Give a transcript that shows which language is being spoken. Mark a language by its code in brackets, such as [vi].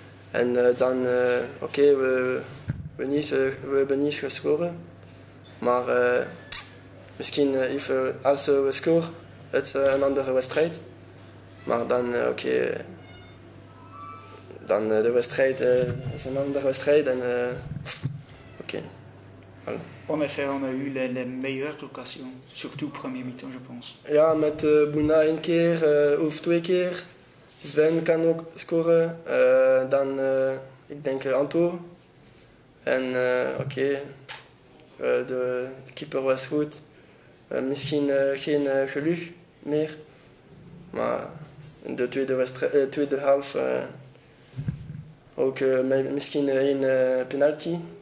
[nl] En dan, oké, we hebben niet gescoord, maar misschien even als we scoren, het is een andere wedstrijd. Maar dan, oké, dan de wedstrijd is een andere wedstrijd en oké. [fr] Voilà. En effet, on a eu les meilleures occasions, surtout premier mi-temps, je pense. [nl] Ja, met Buna één keer of twee keer. Sven kan ook scoren. Dan, ik denk, Anto. En oké, de keeper was goed. Misschien geen geluk meer. Maar in de tweede half ook misschien één penalty.